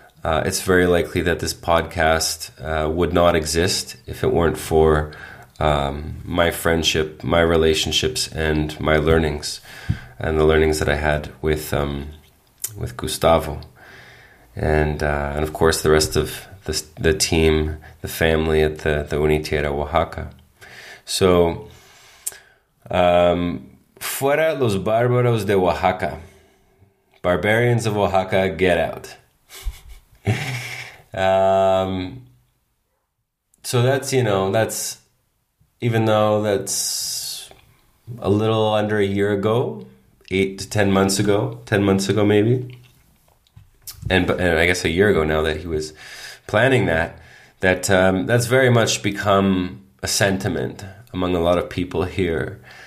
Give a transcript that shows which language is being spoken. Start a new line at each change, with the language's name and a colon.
English: It's very likely that this podcast would not exist if it weren't for my friendship, my relationships, and my learnings, and the learnings that I had with Gustavo. And of course, the rest of the team, the family at the UNITIERA Oaxaca.
Spanish: So, fuera los bárbaros de Oaxaca.
English: Barbarians of Oaxaca, get out. So that's, you know, that's, even though that's a little under a year ago, 8 to 10 months ago maybe, and I guess a year ago now that he was planning that, that's very much become a sentiment among a lot of people here.